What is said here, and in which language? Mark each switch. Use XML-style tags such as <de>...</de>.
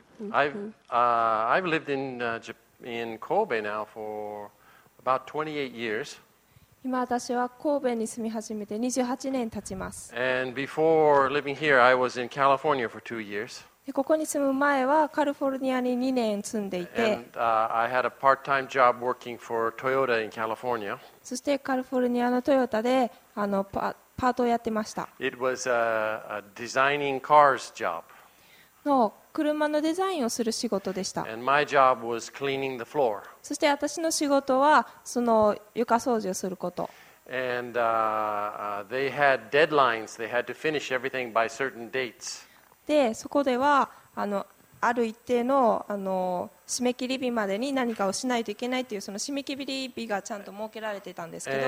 <en>I've lived in Kobe now for about 28 years.</en> <ja>今私は神戸に住み始めて28年経ちます。</ja> <en>And before living here, I was in California for 2 years.</en> <ja>ここに住む前はカリフォルニアに2年住んでいて、</ja> <en>I had a part-time job working for Toyota in California.</en> <ja>そしてカリフォルニアのトヨタでパートをやってました。</ja> <en>It was a designing cars job.</en> <ja>の車のデザインをする仕事でした。</ja> <en>And my job was cleaning the floor.</en> <ja>そして私の仕事はその床掃除をすること。</ja> <en>And they had deadlines. They had to finish everything by certain dates.</en> <ja>でそこではある一定 の, 締め切り日までに何かをしないといけないというその締め切り日がちゃんと設けられていたんですけど</ja>